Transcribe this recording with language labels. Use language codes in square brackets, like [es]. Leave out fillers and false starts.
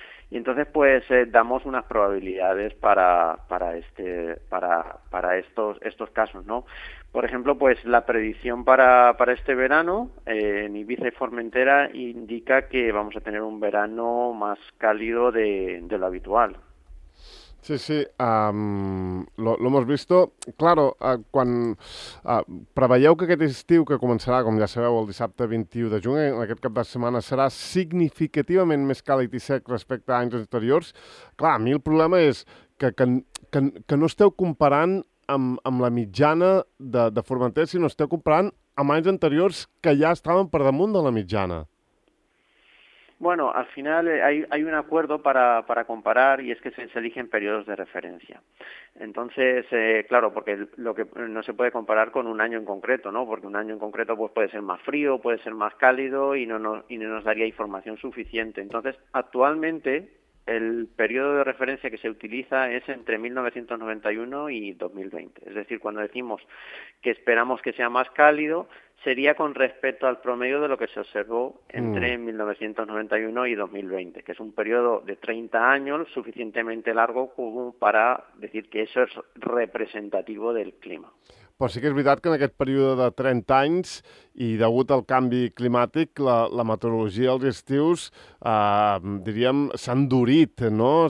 [es] Y entonces, pues, damos unas probabilidades para estos casos, ¿no? Por ejemplo, pues, la predicción para este verano en Ibiza y Formentera indica que vamos a tener un verano más cálido de lo habitual. Sí, sí, lo hemos visto. [ca] Claro, quan preveieu que aquest estiu, que començarà, com ja sabeu, el dissabte 21 de juny, aquest cap de setmana serà significativament més càlid i sec respecte a anys anteriors, clar, a mi el problema és que no esteu comparant amb la mitjana de Formentera, sinó esteu comparant amb anys anteriors que ja estaven per damunt de la mitjana. [es] Bueno, al final hay un acuerdo para comparar y es que se eligen periodos de referencia. Entonces, claro, porque lo que no se puede comparar con un año en concreto, ¿no? Porque un año en concreto pues puede ser más frío, puede ser más cálido y no nos daría información suficiente. Entonces, actualmente el periodo de referencia que se utiliza es entre 1991 y 2020. Es decir, cuando decimos que esperamos que sea más cálido, sería con respecto al promedio de lo que se observó entre 1991 y 2020, que es un periodo de 30 años suficientemente largo como para decir que eso es representativo del clima. [ca] Però sí que és veritat que en aquest període de 30 anys i degut al canvi climàtic, la meteorologia dels estius, diríem, s'ha endurit, no?